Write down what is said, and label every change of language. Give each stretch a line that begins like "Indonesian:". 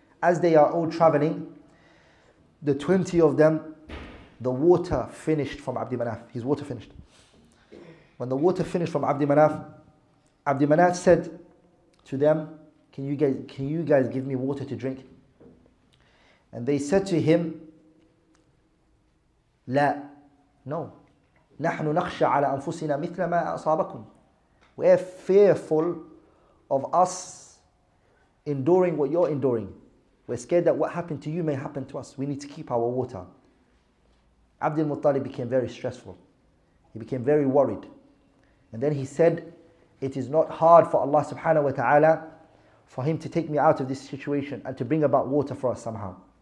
English: As they are all traveling, the 20 of them, the water finished from Abdi Manaf. His water finished. When the water finished from Abdi Manaf said to them, can you guys give me water to drink? And they said to him,
Arabic: لا
English: no.
Arabic: نحن نخشى على أنفسنا مثل ما أصابكم.
English: We are fearful of us enduring what you're enduring. We're scared that what happened to you may happen to us. We need to keep our water. Abdul Muttalib became very stressful. He became very worried. And then he said, it is not hard for Allah subhanahu wa ta'ala for him to take me out of this situation and to bring about water for us somehow.